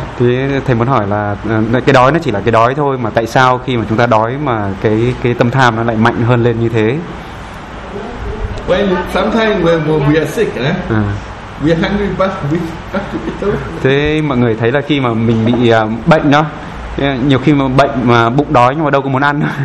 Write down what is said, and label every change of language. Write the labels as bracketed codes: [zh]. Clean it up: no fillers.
[vi] Thì thầy muốn hỏi là cái đói nó chỉ là cái đói thôi, mà tại sao khi mà chúng ta đói mà cái tâm tham nó lại mạnh hơn lên như thế? [en] When sometimes when we are sick, we are hungry, but we have to eat. [vi] Thế mọi người thấy là khi mà mình bị bệnh đó, Nhiều khi mà bệnh mà bụng đói nhưng mà đâu có muốn ăn.